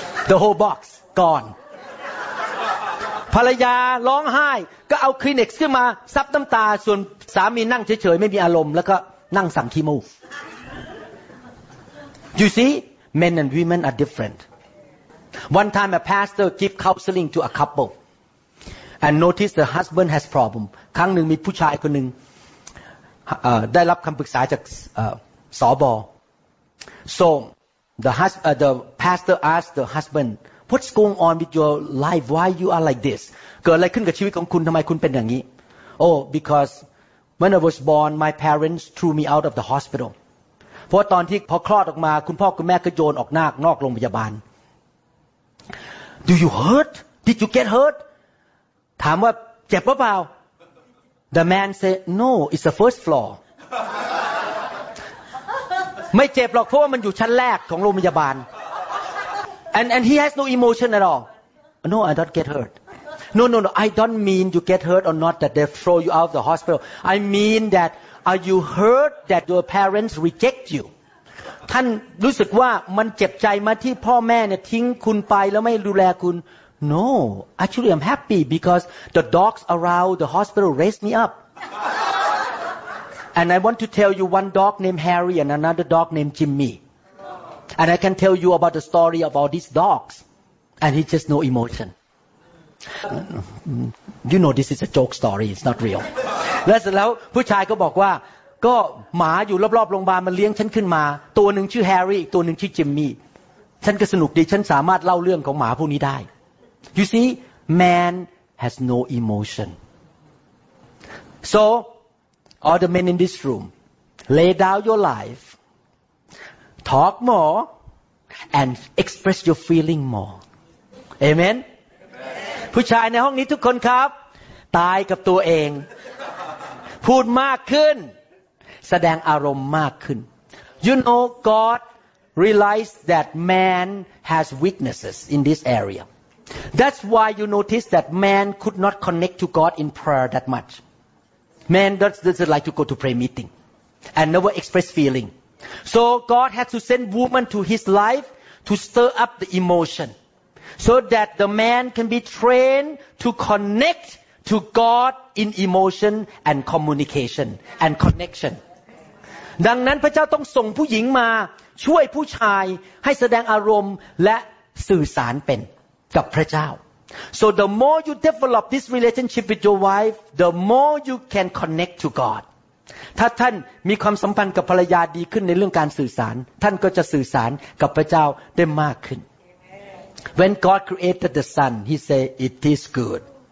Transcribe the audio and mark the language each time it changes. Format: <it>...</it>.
<en>the whole box gone</en> <th>ภรรยาร้องไห้ก็เอาคลินิกขึ้นมาซับน้ำตาส่วนสามีนั่งเฉยๆไม่มีอารมณ์แล้วก็นั่งสั่งคีโม</th> <en>You see men and women are different One time a pastor give counseling to a couple and noticed the husband has problem</en> <th>ครั้งหนึ่งมีผู้ชายคนหนึ่งได้รับคำปรึกษาจากสบ.</th> <en>So the pastor asked the husbandWhat's going on with your life? Why you are like this?</en> <th>เกิดอะไรขึ้นกับชีวิตของคุณทำไมคุณเป็นอย่างนี้</th> <en>Oh, because when I was born, my parents threw me out of the hospital.</en> <th>เพราะตอนที่พอคลอดออกมาคุณพ่อคุณแม่ก็โยนออกนอกโรงพยาบาล</th> <en>Do you hurt? Did you get hurt?</en> <th>ถามว่าเจ็บหรือเปล่า</th> <en>The man said, No, it's the first floor.</en> <th>ไม่เจ็บหรอกเพราะว่ามันอยู่ชั้นแรกของโรงพยาบาล</th> <en>And he has no emotion at all. No, I don't get hurt. No. I don't mean you get hurt or not that they throw you out of the hospital. I mean that are you hurt that your parents reject you?</en> <th>ท่านรู้สึกว่ามันเจ็บใจไหมที่พ่อแม่เนี่ยทิ้งคุณไปแล้วไม่ดูแลคุณ</th> <en>No, actually I'm happy because the dogs around the hospital raised me up. And I want to tell you one dog named Harry and another dog named Jimmy. And I can tell you about the story of all these dogs, and he just no emotion. You know this is a joke story; it's not real.</en> <th>แล้วเสร็จแล้วผู้ชายก็บอกว่าก็หมาอยู่รอบๆโรงพยาบาลมันเลี้ยงฉันขึ้นมาตัวหนึ่งชื่อแฮร์รี่อีกตัวหนึ่งชื่อจิมมี่ฉันก็สนุกดีฉันสามารถเล่าเรื่องของหมาพวกนี้ได้</th> <en>You see, man has no emotion. So, all the men in this room, lay down your life. Talk more and express your feeling more. Amen? Amen.</en> <th>ผู้ชายในห้องนี้ทุกคนครับตายกับตัวเองพูดมากขึ้นแสดงอารมณ์มากขึ้น</th> <en>You know, God realized that man has weaknesses in this area. That's why you notice that man could not connect to God in prayer that much. Man doesn't like to go to prayer meeting and never express feeling. So God had to send woman to his life to stir up the emotion so that the man can be trained to connect to God in emotion and communication and connection.</en> <th>ดังนั้นพระเจ้าต้องส่งผู้หญิงมาช่วยผู้ชายให้แสดงอารมณ์และสื่อสารเป็นกับพระเจ้า</th> <en>So the more you develop this relationship with your wife, the more you can connect to God.</en> <th>ถ้าท่านมีความสัมพันธ์กับภรรยาดีขึ้นในเรื่องการสื่อสารท่านก็จะสื่อสารกับพระเจ้าได้มากขึ้น</th> <en>When God created the sun, He said it is good.</en>